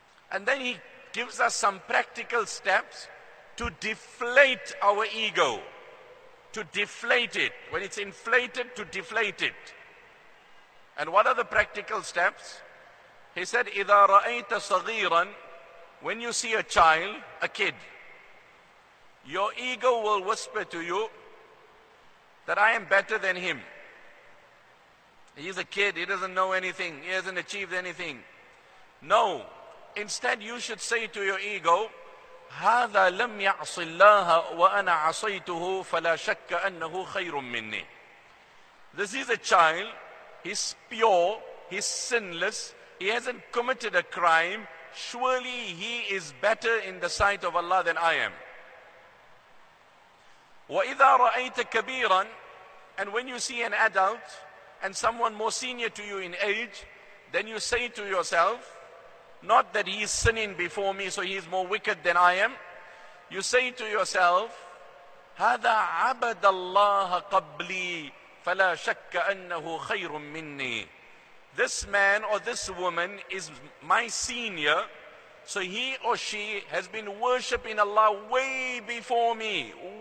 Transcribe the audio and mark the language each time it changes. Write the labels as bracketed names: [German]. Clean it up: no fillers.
[English] And then he gives us some practical steps to deflate our ego, to deflate it. When it's inflated, to deflate it. And what are the practical steps? He said, [Arabic] إِذَا رَأَيْتَ صَغِيرًا. [English] When you see a child, a kid, your ego will whisper to you that I am better than him. He's a kid, he doesn't know anything, he hasn't achieved anything. No, instead you should say to your ego, [Arabic] هَذَا لَمْ يَعْصِ اللَّهَ وَأَنَا عَصَيْتُهُ فَلَا شَكَّ أَنَّهُ خَيْرٌ مِّنِّي. [English] This is a child, he's pure, he's sinless, he hasn't committed a crime, surely he is better in the sight of Allah than I am. [Arabic] وَإِذَا رَأَيْتَ كَبِيرًا. [English] And when you see an adult and someone more senior to you in age, then you say to yourself, not that he is sinning before me, so he is more wicked than I am. You say to yourself, [Arabic] هَذَا عَبَدَ اللَّهَ قَبْلِي فَلَا شَكَّ أَنَّهُ خَيْرٌ مِّنِّي. [English] This man or this woman is my senior, so he or she has been worshipping Allah way before me.